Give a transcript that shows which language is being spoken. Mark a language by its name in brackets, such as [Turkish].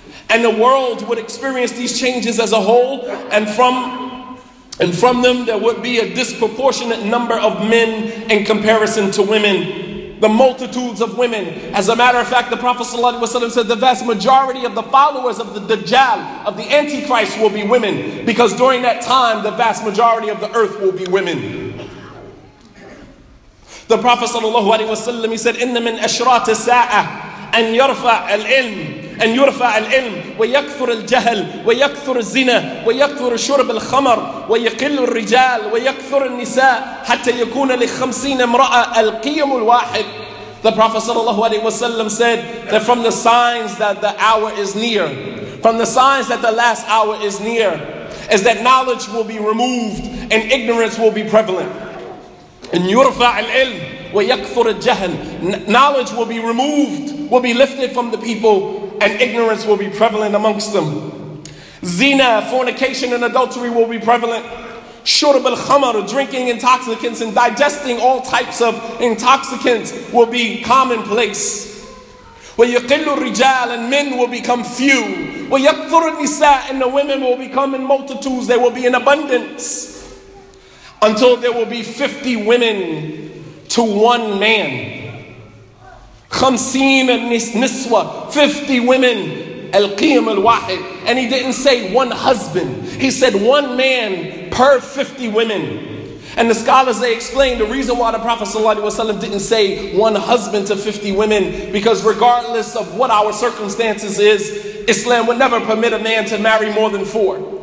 [English] And the world would experience these changes as a whole, and from them there would be a disproportionate number of men in comparison to women. The multitudes of women. As a matter of fact, the Prophet ﷺ said the vast majority of the followers of the Dajjal, of the Antichrist, will be women. Because during that time, the vast majority of the earth will be women. The Prophet ﷺ, he said, [Arabic] إِنَّ مِنْ أَشْرَاطِ السَّاعَةِ أَنْ يَرْفَعَ الْعِلْمِ أن يرفع العلم ويكثر الجهل ويكثر الزنا ويكثر شرب الخمر ويقل الرجال ويكثر النساء حتى يكون ل50 امرأة القيم الواحد. [English] The Prophet sallallahu alaihi wasallam said that from the signs that the hour is near, from the signs that the last hour is near, is that knowledge will be removed and ignorance will be prevalent. [Arabic] أن يرفع العلم ويكثر الجهل. [English] Knowledge will be removed will be lifted from the people and ignorance will be prevalent amongst them. Zina, fornication and adultery will be prevalent. Shurb al-khamar, drinking intoxicants and digesting all types of intoxicants will be commonplace. [Arabic] وَيَقِلُّ الرِّجَالُ, [English] and men will become few. [Arabic] وَيَكْثُرُ النِّسَاءُ, [English] and the women will become in multitudes. They will be in abundance until there will be 50 women to one man. [Arabic] خَمْسِينَ النِّسْوَ, [English] 50 women. [Arabic] الْقِيَمُ الْوَاحِدُ, [English] and he didn't say one husband. He said one man per 50 women. And the scholars, they explain the reason why the Prophet ﷺ didn't say one husband to 50 women, because regardless of what our circumstances is, Islam would never permit a man to marry more than four.